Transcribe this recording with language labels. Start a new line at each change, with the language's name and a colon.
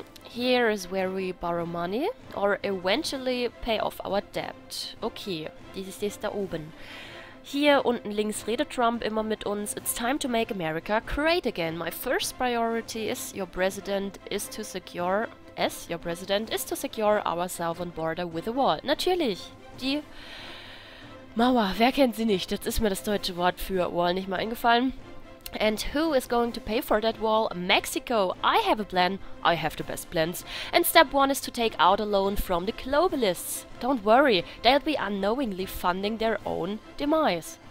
English: Here is where we borrow money or eventually pay off our debt.
German: Okay, dieses ist da oben. Hier unten links redet Trump immer mit uns.
English: It's time to make America great again. My first priority is your president is to secure... As your president is to secure our southern border with a wall.
German: Natürlich, die Mauer, wer kennt sie nicht? Jetzt ist mir das deutsche Wort für Wall nicht mal eingefallen.
English: And who is going to pay for that wall? Mexico. I have a plan. I have the best plans. And step one is to take out a loan from the globalists. Don't worry, they'll be unknowingly funding their own demise.